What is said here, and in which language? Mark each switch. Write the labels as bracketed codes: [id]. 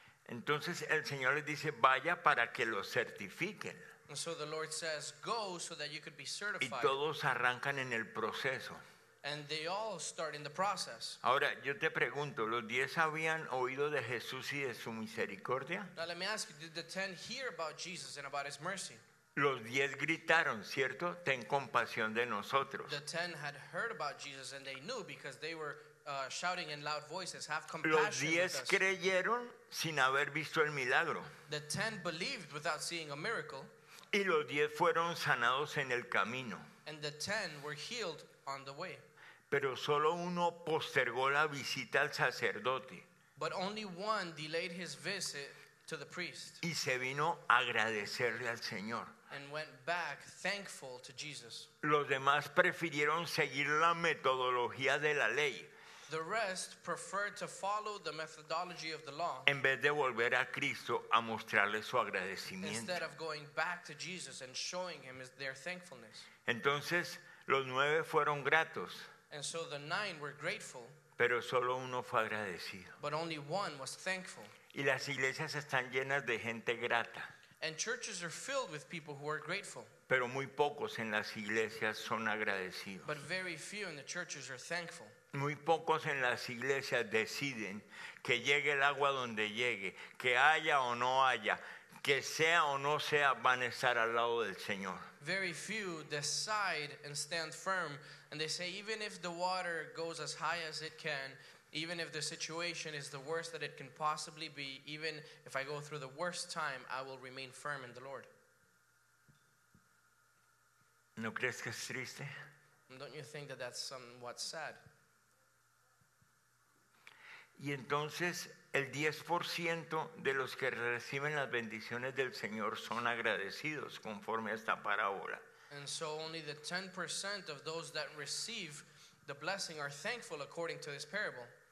[es] Entonces el Señor les dice, vaya para que lo certifiquen. [en] And so the Lord says, go so that you could be certified. [es] Y todos arrancan en el proceso. [en] And they all start in the process. [es] Ahora, yo te pregunto, ¿los 10 habían oído de Jesús y de su misericordia? [en] Now let me ask you, did the 10 hear about Jesus and about his mercy? [es] Los 10 gritaron, ¿cierto? Ten compasión de nosotros. [en] The 10 had heard about Jesus and they knew because they were shouting in loud voices, have compassion. [es] Los 10 creyeron sin haber visto el milagro. [en] The 10 believed without seeing a miracle. [es] Y los 10 fueron sanados en el camino. [en] And the 10 were healed on the way. [es] Pero solo uno postergó la visita al sacerdote. [en] But only one delayed his visit to the priest. [es] Y se vino a agradecerle al Señor. [en] And went back thankful to Jesus. [es] Los demás prefirieron seguir la metodología de la ley. [en] The rest preferred to follow the methodology of the law. [es] En vez de volver a Cristo a mostrarle su agradecimiento. [en] Instead of going back to Jesus and showing him their thankfulness. [es] Entonces, los 9 fueron gratos. [en] And so the 9 were grateful. [es] Pero solo uno fue agradecido. [en] But only one was thankful. [es] Y las iglesias están llenas de gente grata. [en] And churches are filled with people who are grateful. [es] Pero muy pocos en las iglesias son agradecidos. [en] But very few in the churches are thankful. [es] Muy pocos en las iglesias deciden que llegue el agua donde llegue, que haya o no haya, que sea o no sea, van a estar al lado del Señor. [en] Very few decide and stand firm, and they say, even if the water goes as high as it can, Even if the situation is the worst that it can possibly be, even if I go through the worst time, I will remain firm in the Lord. [es] ¿No crees que es triste? [en] Don't you think that that's somewhat sad? [es] Y entonces el 10% de los que reciben las bendiciones del Señor son agradecidos conforme a esta parábola. [en] And so only the 10% of those that receive the blessing are thankful according to this parable.